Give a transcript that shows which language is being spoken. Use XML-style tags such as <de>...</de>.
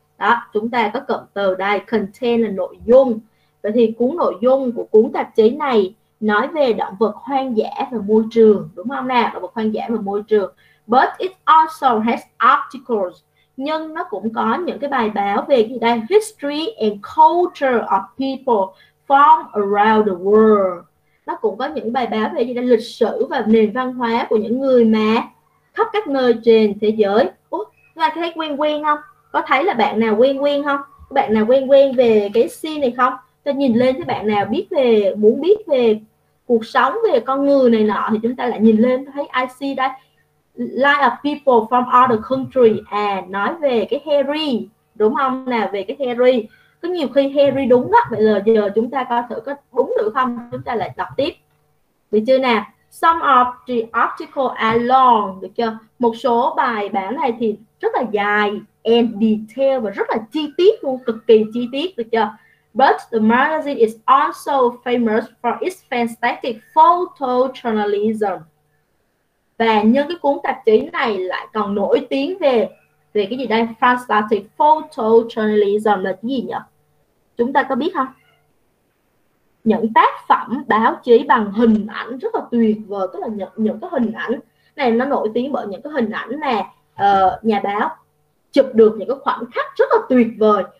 <vi>Đó, chúng ta có cụm từ đây, content là nội dung. Vậy thì cuốn nội dung của cuốn tạp chí này nói về động vật hoang dã và môi trường, đúng không nào? Động vật hoang dã và môi trường.</vi> <en>But it also has articles.</en> <vi>Nhưng nó cũng có những cái bài báo về gì đây?</vi> <en>History and culture of people from around the world.</en> <vi>Nó cũng có những bài báo về gì đây? Lịch sử và nền văn hóa của những người mà khắp các nơi trên thế giới. Ủa, ai thấy quen quen không? Có thấy là bạn nào quen quen không? Bạn nào quen quen về cái scene này không? Ta nhìn lên thấy bạn nào biết về, muốn biết về cuộc sống, về con người này nọ thì chúng ta lại nhìn lên thấy IC đây.</vi> <en>Like a people from other country.</en> <vi>À, nói về cái Harry, đúng không nào? Về cái Harry. Có nhiều khi Harry đúng đó. Vậy là giờ chúng ta coi thử có đúng được không? Chúng ta lại đọc tiếp. Được chưa nào?</vi> <en>Some of the article are long.</en> <vi>Được chưa? Một số bài bản này thì rất là dài</vi> <en>and detail</en> <vi>và rất là chi tiết luôn, cực kỳ chi tiết. Được chưa?</vi> <en>But the magazine is also famous for its fantastic photo journalism.</en> <vi>Và nhân cái cuốn tạp chí này lại còn nổi tiếng về về cái gì đây? Fantastic photo journalism là cái gì nhỉ? Chúng ta có biết không? Những tác phẩm báo chí bằng hình ảnh rất là tuyệt vời, tức là những cái hình ảnh này nó nổi tiếng bởi những cái hình ảnh mà nhà báo chụp được những cái khoảnh khắc rất là tuyệt vời.</vi>